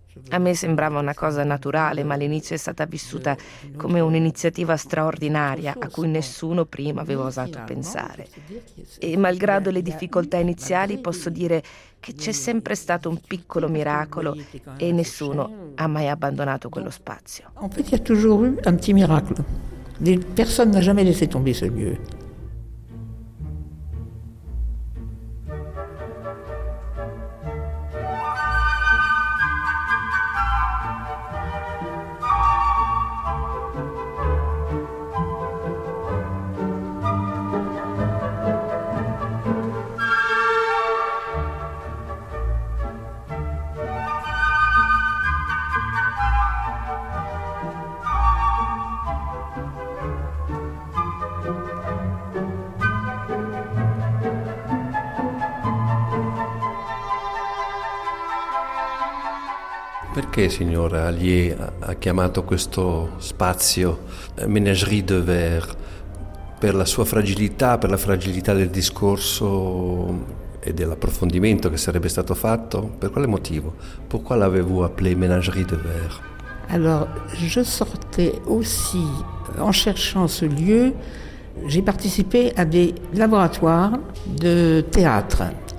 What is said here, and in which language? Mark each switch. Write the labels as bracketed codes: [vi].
[it] A me sembrava una cosa naturale, ma all'inizio è stata vissuta come un'iniziativa straordinaria a cui nessuno prima aveva osato pensare. E malgrado le difficoltà iniziali, posso dire che c'è sempre stato un piccolo miracolo e nessuno ha mai abbandonato quello spazio. [fr] En fait, il y a toujours eu un petit miracle. Personne n'a jamais laissé tomber ce lieu. [it] Perché signora Allier ha chiamato questo spazio Ménagerie de Verre? Per la sua fragilità, per la fragilità del discorso e dell'approfondimento che sarebbe stato fatto? Per quale motivo? [fr] Pourquoi l'avez-vous appelé Ménagerie de Verre? Alors, je sortais aussi, en cherchant ce lieu, j'ai participé à des laboratoires de théâtre.